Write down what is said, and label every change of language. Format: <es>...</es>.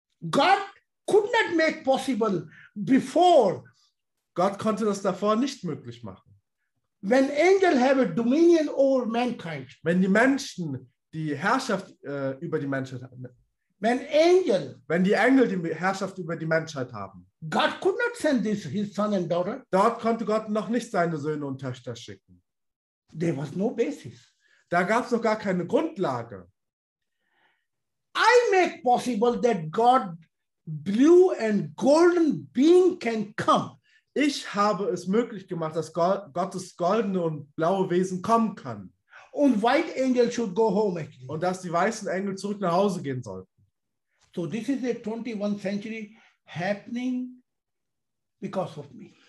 <en>Gott could not make possible before.</en> <de>Gott konnte das davor nicht möglich machen.</de> <en>When angels have a dominion over mankind.</en> <de>Wenn die Menschen die Herrschaft über die Menschheit haben.</de> <en>When angel,</en> <de>wenn die Engel die Herrschaft über die Menschheit haben.</de> <en>God could not send this, his son and daughter.</en> <de>Dort konnte Gott noch nicht seine Söhne und Töchter schicken.</de> <en>There was no basis.</en> <de>Da gab es noch gar keine Grundlage.</de> <en>I make possible that God blue and golden being can come.</en> <de>Ich habe es möglich gemacht, dass Gottes goldene und blaue Wesen kommen kann.</de> <en>Und white angels should go home.</en> <de>Und dass die weißen Engel zurück nach Hause gehen sollten.</de> <en>So this is a 21st century happening because of me.</en>